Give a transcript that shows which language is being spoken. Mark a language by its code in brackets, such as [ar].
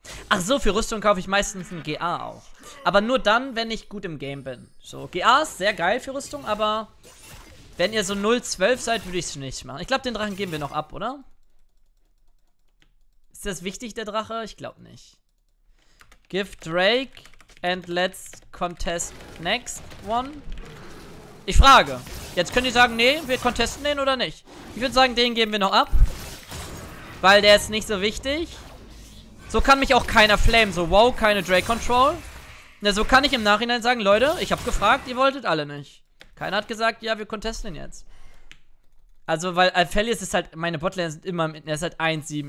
[de] Ach so, für Rüstung kaufe ich meistens ein GA auch. Aber nur dann, wenn ich gut im Game bin. So, GA ist sehr geil für Rüstung, aber wenn ihr so 0-12 seid, würde ich es nicht machen. Ich glaube, den Drachen geben wir noch ab, oder? Ist das wichtig, der Drache? Ich glaube nicht. [en] Give Drake and let's contest next one. [de] Ich frage. Jetzt können die sagen, nee, wir contesten den oder nicht. Ich würde sagen, den geben wir noch ab. Weil der ist nicht so wichtig. So kann mich auch keiner flamen. So, wow, keine Drake Control. Na, so kann ich im Nachhinein sagen, Leute, ich habe gefragt, ihr wolltet alle nicht. Keiner hat gesagt, ja, wir contesten ihn jetzt. Also, weil Aphelios ist halt, meine Botlane sind immer, er ist halt 1-7.